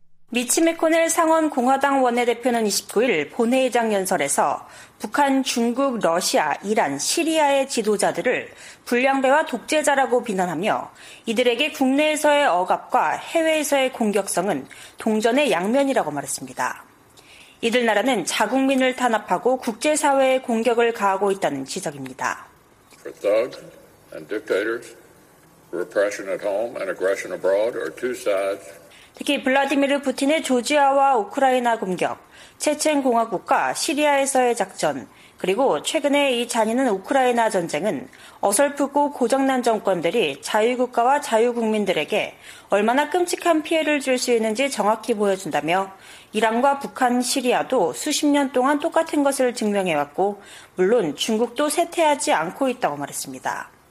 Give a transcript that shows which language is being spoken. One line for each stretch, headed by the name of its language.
Korean: 미치 맥코넬 상원 공화당 원내대표는 29일 본회의장 연설에서 북한, 중국, 러시아, 이란, 시리아의 지도자들을 불량배와 독재자라고 비난하며 이들에게 국내에서의 억압과 해외에서의 공격성은 동전의 양면이라고 말했습니다. 이들 나라는 자국민을 탄압하고 국제사회에 공격을 가하고 있다는 지적입니다.
English: For thugs and dictators, repression at home and aggression abroad are two sides.
Korean: 특히 블라디미르 푸틴의 조지아와 우크라이나 공격, 체첸 공화국과 시리아에서의 작전, 그리고 최근에 이 잔인한 우크라이나 전쟁은 어설프고 고장난 정권들이 자유국가와 자유국민들에게 얼마나 끔찍한 피해를 줄 수 있는지 정확히 보여준다며 이란과 북한, 시리아도 수십 년 동안 똑같은 것을 증명해왔고 물론 중국도 쇠퇴하지 않고 있다고 말했습니다.